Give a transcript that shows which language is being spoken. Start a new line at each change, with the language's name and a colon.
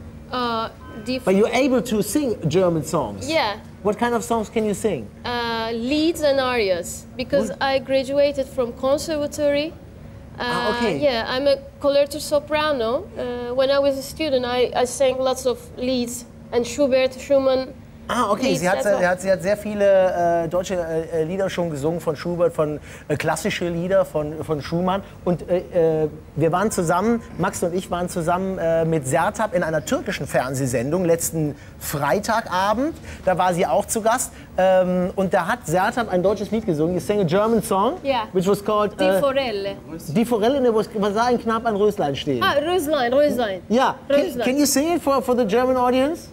English: But you're able to sing German songs? Yeah. What kind of songs can you sing? Leads and arias, because what? I graduated from conservatory. Okay. Yeah, I'm a coloratura soprano. When I was a student, I sang lots of leads, and Schubert, Schumann. Ah, okay.
German: Sie hat sehr viele deutsche Lieder schon gesungen, von Schubert, von klassische Lieder von Schumann. Und wir waren zusammen, Max und ich waren zusammen mit Sertab in einer türkischen Fernsehsendung letzten Freitagabend. Da war sie auch zu Gast. Und da hat Sertab ein deutsches Lied gesungen.
English: You sang a German song, yeah. Which was called
German: Die Forelle. Die Forelle, ne, was sah ein Knab an Röslein stehen? Ah, Röslein. Ja.
English: Can you sing it for the German audience?